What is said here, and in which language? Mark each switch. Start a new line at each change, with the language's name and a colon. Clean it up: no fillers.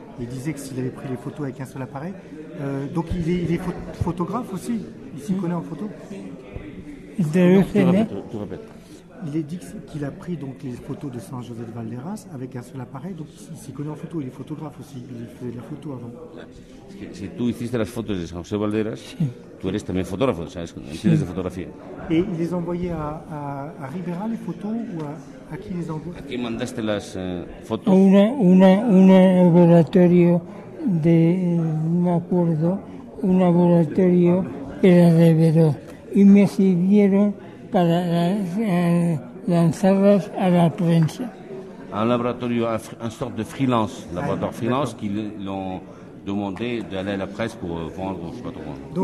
French: Il disait que s'il avait pris les photos avec un seul appareil. Donc il est photographe aussi. Il s'y connaît en photo. Il a dit qu'il a pris donc les photos de San José de Valderas avec un seul appareil. Donc il s'y connaît en photo. Il est photographe aussi. Il faisait de la photo avant.
Spanish: Si tu hiciste las fotos de San José Valderas, tú eres también fotógrafo, ¿sabes? Entiendes de fotografía. ¿Y
French: les envoyé
Spanish: a Rivera las fotos o a quién les envió? ¿A quién mandaste las fotos? Un laboratorio de, me acuerdo, un laboratorio que la reveló. Y me sirvieron para lanzarlas a la prensa. Un laboratorio,
French: un sorte de freelance,
Spanish: laboratorio
French: freelance, que l'ont demander d'aller à la presse pour vendre, je ne sais pas trop.